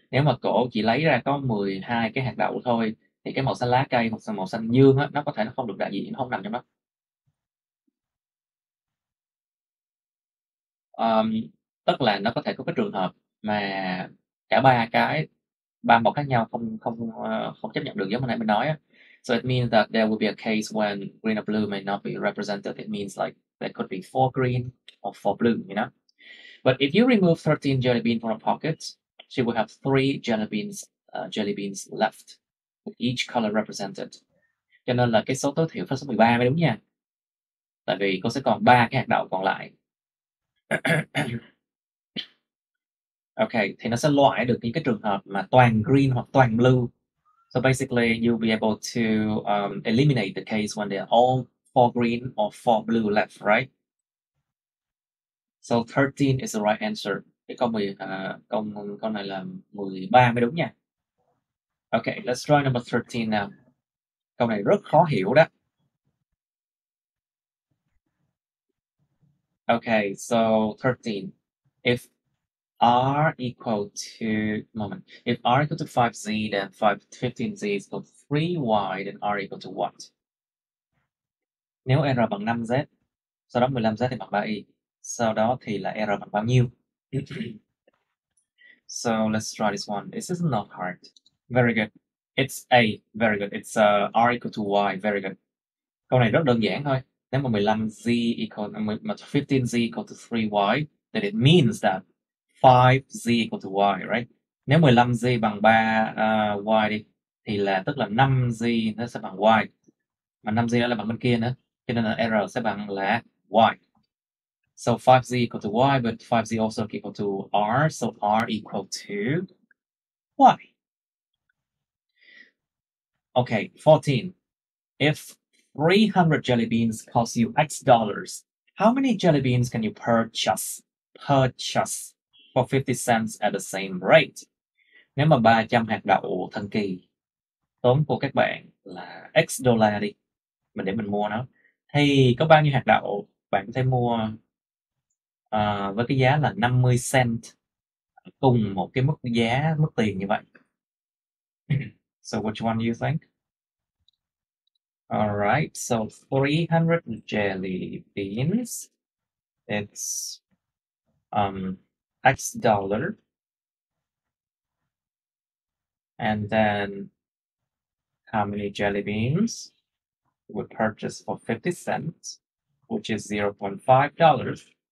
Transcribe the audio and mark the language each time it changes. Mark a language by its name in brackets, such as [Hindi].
[Vietnamese] Nếu mà cổ chỉ lấy ra có 12 cái hạt đậu thôi, thì cái màu xanh lá cây hoặc màu xanh dương á, nó có thể nó không được đại diện, không nằm trong đó. Tức là nó có thể có cái trường hợp mà cả ba màu khác nhau không chấp nhận được, giống hồi nãy mình nói á. [English] So it means that there will be a case when green or blue may not be represented. It means like there could be 4 green or 4 blue, you know. But if you remove 13 jelly beans from a pocket, she will have 3 jelly beans left with each color represented. [Vietnamese] Cho nên là cái số tối thiểu phải số 13 mới đúng nha. Tại vì cô sẽ còn 3 cái hạt đậu còn lại. Ok, thì nó sẽ loại được những cái trường hợp mà toàn green hoặc toàn blue. [English] So basically you'll be able to eliminate the case when they're all 4 green or 4 blue left, right? So 13 is the right answer. [Vietnamese] Cái câu này là 13 mới đúng nha. [English] Ok, let's try number 13 now. [Vietnamese] Câu này rất khó hiểu đó. [English] Okay, so 13. If R equal to, moment, if R equal to 5Z, then 15Z is equal to 3Y, then R equal to what? [Vietnamese] Nếu R bằng 5Z, sau đó 15Z thì bằng 3Y. Sau đó thì là R bằng bao nhiêu? [English] So let's try this one. This is not hard. Very good. It's A. Very good. It's R equal to Y. Very good. [Vietnamese] Câu này rất đơn giản thôi. Nếu mà [English] 15Z equal to 15Z equal to 3Y, then it means that 5Z equal to Y, right? [Vietnamese] Nếu 15Z bằng 3 Y đi, thì là tức là 5Z nó sẽ bằng Y. Mà 5Z đó là bằng bên kia nữa. Cho nên là R sẽ bằng là Y. [English] So 5Z equal to Y, but 5Z also equal to R. So R equal to Y. Okay, 14. If 300 jelly beans cost you X dollars, how many jelly beans can you purchase for 50 cents at the same rate? [Vietnamese] Nếu mà 300 hạt đậu thần kỳ tốn của các bạn là X đô la đi, mình để mình mua nó, thì có bao nhiêu hạt đậu bạn có thể mua với cái giá là 50 cent cùng một cái mức giá, mức tiền như vậy? [English] So which one do you think? All right, so 300 jelly beans, it's X dollar, and then how many jelly beans would purchase for 50 cents, which is $0.5.